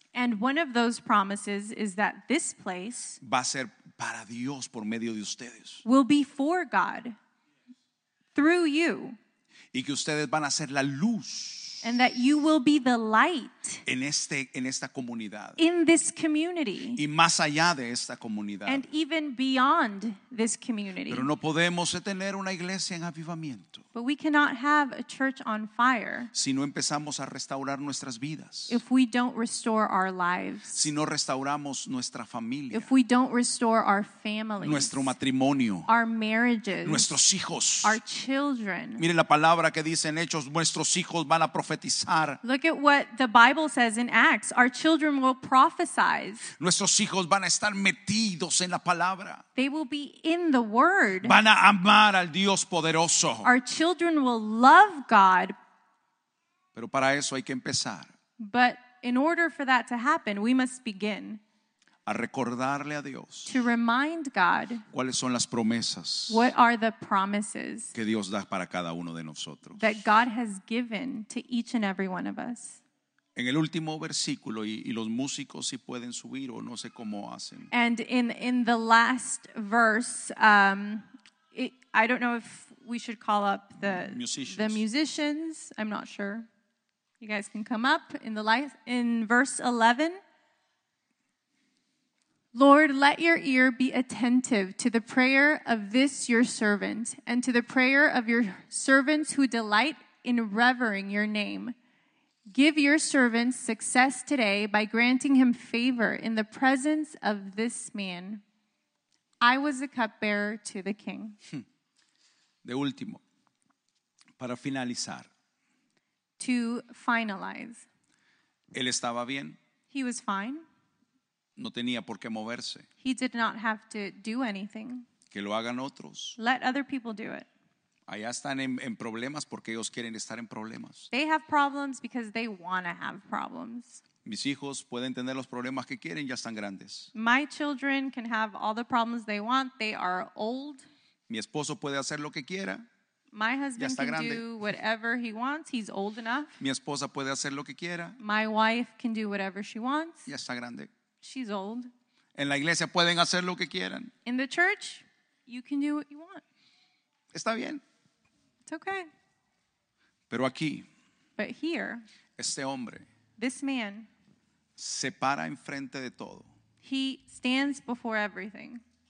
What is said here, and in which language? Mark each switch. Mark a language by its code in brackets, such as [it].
[en] And one of those promises is that this place. [es] Va a ser para Dios por medio de ustedes. [en] Will be for God. Through you. [es] Y que ustedes van a ser la luz. [en] And that you will be the light [es] en esta comunidad, [en] in this community, [es] y más allá de esta comunidad, [en] and even beyond this community. [es] Pero no podemos tener una iglesia en avivamiento, [en] but we cannot have a church on fire [es] si no empezamos a restaurar nuestras vidas, [en] if we don't restore our lives, [es] si no restauramos nuestra familia, [en] if we don't restore our families, [es] nuestro matrimonio, [en] our marriages, [es] nuestros hijos, [en] our children. [es] Mire la palabra que dice en Hechos, nuestros hijos van a profetizar. [en] Look at what the Bible says in Acts. Our children will prophesy. [es] Nuestros hijos van a estar metidos en la palabra. [en] They will be in the word. [es] Van a amar al Dios poderoso. [en] Our children will love God. [es] Pero para eso hay que empezar. [en] But in order for that to happen, we must begin. [es] A recordarle a Dios. [en] To remind God. [es] ¿Cuáles son las promesas? [en] What are the promises? [es] Que Dios da para cada uno de nosotros. [en] That God has given to each and every one of us. [es] En el último versículo y los músicos si pueden subir o no sé cómo hacen. [en] And in the last verse, I don't know if we should call up the musicians. The musicians. I'm not sure. You guys can come up in verse 11. Lord, let your ear be attentive to the prayer of this your servant and to the prayer of your servants who delight in revering your name. Give your servant success today by granting him favor in the presence of this man. I was a cupbearer to the king. [es] De último, para finalizar. [en] To finalize. [es] Él estaba bien. [en] He was fine. [es] No tenía por qué moverse. [en] He did not have to do anything. [es] Que lo hagan otros. [en] Let other people do it. [es] Allá están en problemas porque ellos quieren estar en problemas. [en] They have problems because they want to have problems. [es] Mis hijos pueden tener los problemas que quieren, ya están grandes. [en] My children can have all the problems they want. They are old. [es] Mi esposo puede hacer lo que quiera. [en] My husband can [es] grande. [en] Do whatever he wants. He's old enough. [es] Mi esposa puede hacer lo que quiera. [en] My wife can do whatever she wants. [es] Ya está grande. [en] She's old. [es] En la iglesia pueden hacer lo que quieran. [en] In the church, you can do what you want. [es] Está bien. [en] It's okay. [es] Pero aquí. [en] But here. [es] Este hombre. [en] This man, [es] se para enfrente de todo. He stands before everything.